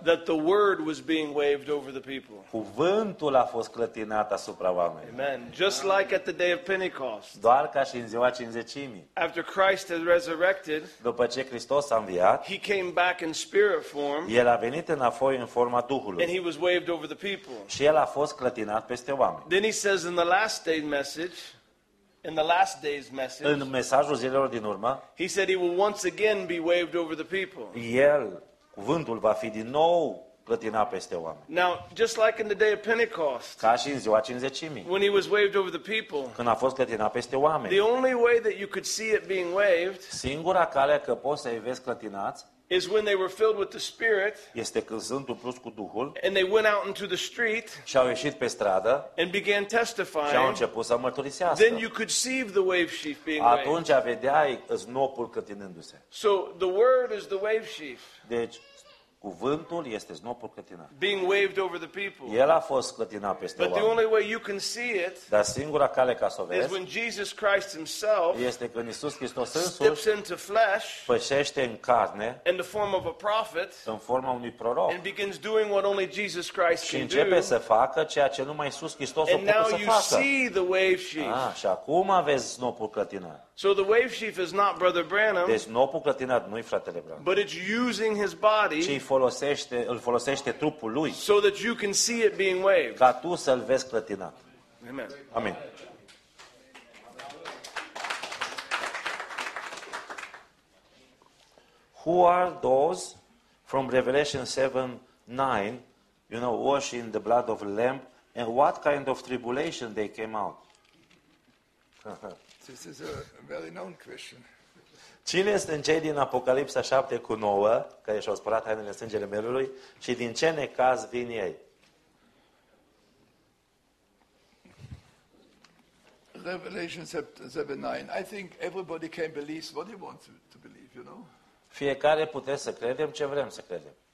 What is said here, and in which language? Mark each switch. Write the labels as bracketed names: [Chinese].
[English] that the word was being waved over the people. [Romanian] Cuvântul a fost clătinat asupra oamenilor. [English] Amen. Just like at the day of Pentecost. [Romanian] Doar ca și în ziua cincizecimii. [English] After Christ had resurrected, [Romanian] după ce Hristos a înviat, [English] he came back in spirit form. [Romanian] El a venit înapoi în forma Duhului. [English] And he was waved over the people. [Romanian] Și el a fost clătinat peste oameni. [English] Then he says in the last day message, in the last day's message, [Romanian] în mesajul zilelor din urmă, [English] he said he will once again be waved over the people. [Romanian] El, cuvântul va fi din nou clătinat peste oameni. [English] Now, just like in the day of Pentecost, [Romanian] ca și în ziua cincizecimii, [English] when he was waved over the people, [Romanian] când a fost clătinat peste oameni, [English] the only way that you could see it being waved, [Romanian] singura cale că poți să-i vezi clătinați, [English] is when they were filled with the Spirit, [Romanian] este când sunt umpluți cu Duhul, [English] and they went out into the street, [Romanian] și au ieșit pe stradă, [English] and began testifying, [Romanian] și au început să mărturisească. [English] Then you could see the wave sheaf being waved. [Romanian] Atunci vedeai snopul clătinându-se. [English] So the word is the wave sheaf. [Romanian] Deci, cuvântul este snopul clătinat. [English] Being waved over the people. [Romanian] El a fost clătinat peste oameni. [English] But the only way you can see it, [Romanian] dar singura cale ca să o vezi, [English] is when Jesus Christ himself, [Romanian] este când Iisus Hristos însuși, [English] steps into flesh, [Romanian] pășește în carne, [English] in the form of a prophet, [Romanian] în forma unui proroc, [English] and begins doing what only Jesus Christ can do. [Romanian] Și începe să facă ceea ce numai Iisus Hristos [English] and [Romanian] o poate să facă. [English] And now you see the wave sheaf. [Romanian] Ah, și acum vezi snopul clătinat. [English] So the wave sheaf is not Brother Branham. [Romanian] Deci snopul clătinat nu-i fratele Branham. [English] But it's using his body. [Romanian] Îl folosește trupul lui. [English] So that you can see it being waved. [Romanian] Ca tu să-l vezi clătinat. [English] Amen. [Romanian] Amen. [English] Who are those from Revelation 7:9, you know, washed in the blood of Lamb, and what kind of tribulation they came out? This is a very known question. [Romanian] Cine sunt cei din Apocalipsa 7:9 care și-au spălat hainele sângele Mielului și din ce necaz vin ei? [English] Revelation 7:9. I think everybody can believe what he wants to believe, you know? [Romanian] Fiecare putem să credem ce vrem să credem.